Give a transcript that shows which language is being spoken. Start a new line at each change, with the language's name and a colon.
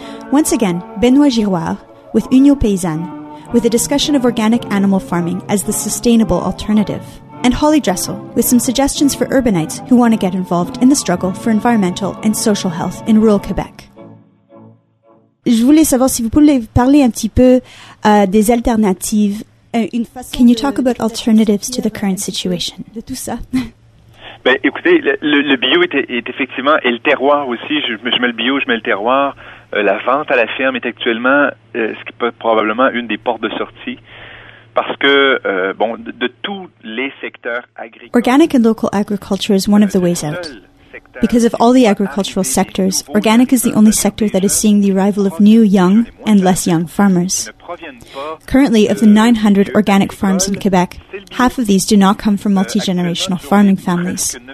English: Once again, Benoît Girouard with Union Paysanne with a discussion of organic animal farming as the sustainable alternative, and Holly Dressel with some suggestions for urbanites who want to get involved in the struggle for environmental and social health in rural Quebec.
French: Je voulais savoir si vous pouvez parler un petit peu des alternatives.
English: Can you talk about alternatives to the current situation?
French: De tout ça. Ben, écoutez, le bio est effectivement, et le terroir aussi, je mets le bio, je mets le terroir. La vente à la ferme est actuellement, ce qui peut être probablement une des portes de sortie. Parce que, bon, de tous les secteurs agricoles.
English: Organic and local agriculture is one of the ways out. Because of all the agricultural sectors, organic is the only sector that is seeing the arrival of new, young, and less young farmers. Currently, of the 900 organic farms in Quebec, half of these do not come from multi-generational farming families.